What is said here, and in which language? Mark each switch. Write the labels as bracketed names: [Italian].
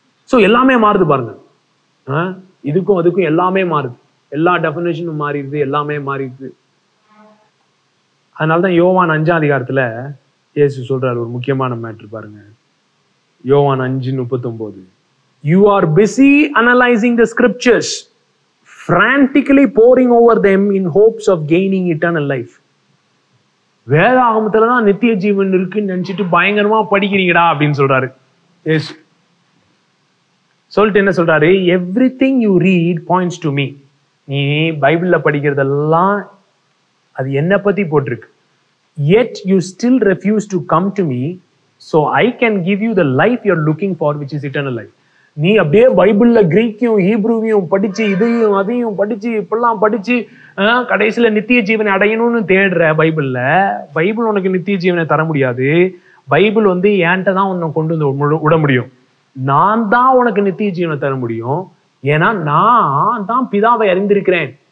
[Tamil] So எல்லாமே மாறுது பாருங்க, இதுக்கும் அதுக்கும் எல்லாமே மாறுது. எல்லா டெஃபினேஷனும் மாறிடுது, எல்லாமே மாறிடுது. அதனாலதான் யோவான் 5 இயேசு சொல்றாரு ஒரு முக்கியமான மேட்டர் பாருங்க, யோவான் 5:39. [English] You are busy analyzing the scriptures, frantically poring over them in hopes of gaining eternal life. [Tamil] வேதாகமத்துல தான் நித்திய ஜீவன் இருக்குன்னு நினைச்சிட்டு பயங்கரமா படிக்கிறீங்கடா அப்படின்னு சொல்றாரு ஏசு. சொல்லிட்டு என்ன சொல்றாரு? [English] Everything you read points to me. [Tamil] நீ பைபிள்ல படிக்கிறதெல்லாம் அது என்ன பத்தி போட்டிருக்கு. [English] Yet you still refuse to come to me so I can give you the life you're looking for, which is eternal life. [Tamil] நீ அப்படியே பைபிள்ல கிரீக்கையும் ஹீப்ருவையும் படிச்சு இதையும் அதையும் படிச்சு இப்பெல்லாம் படிச்சு கடைசியில நித்திய ஜீவனை அடையணும்னு தேடுற பைபிள்ல, பைபிள் உனக்கு நித்திய ஜீவனை தர முடியாது. பைபிள் வந்து ஏன்ட்ட தான் உன்னை கொண்டு வந்து விட முடியும். நான் தான் உனக்கு நித்திய ஜீவனை தர முடியும், ஏன்னா நான் தான் பிதாவை அறிந்திருக்கிறேன்.